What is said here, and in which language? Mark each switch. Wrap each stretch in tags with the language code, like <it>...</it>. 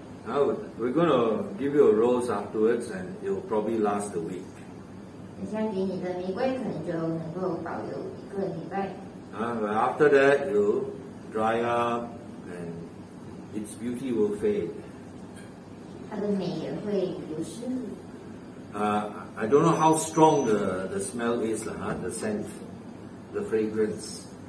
<en>Now we're going to give you a rose afterwards, and it will probably last a week.</en> <zh>等下给你的玫瑰可能就能够保留一个礼拜。</zh> <en>But after that, you dry up, and its beauty will fade.</en> <zh>它的美也会流失。</zh> <en>I don't know how strong the smell is, the scent, the fragrance.</en>